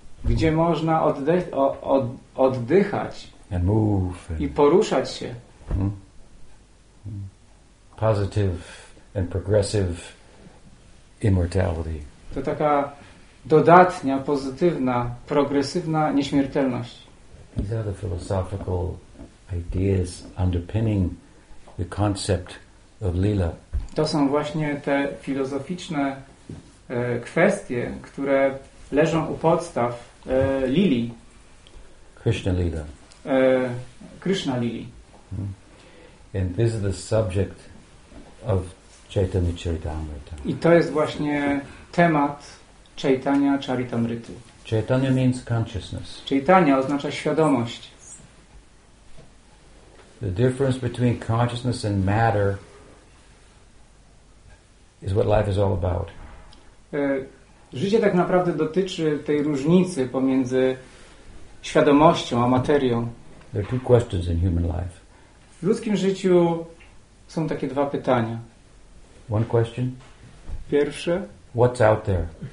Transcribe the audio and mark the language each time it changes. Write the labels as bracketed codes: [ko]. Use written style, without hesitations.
[pl] Gdzie można oddychać [en] and move [pl] i poruszać się. [en] Positive and progressive immortality. [pl] To taka dodatnia, pozytywna, progresywna nieśmiertelność. [en] These are the philosophical ideas underpinning the concept of lila. [pl] To są właśnie te filozoficzne kwestie, które leżą u podstaw lili. [en] Krishna lila. [pl] Krishna lili. [en] And this is the subject of Chaitanya Charitamrita. [pl] I to jest właśnie temat Chaitanya Charitamrity. [en] Chaitanya means consciousness. [pl] Chaitanya oznacza świadomość. [en] The difference between consciousness and matter is what life is all about. [pl] Życie tak naprawdę dotyczy tej różnicy pomiędzy świadomością a materią. [en] There are two questions in human life. [pl] W ludzkim życiu są takie dwa pytania. [en] One question. [pl] Pierwsze. [en] What's out there?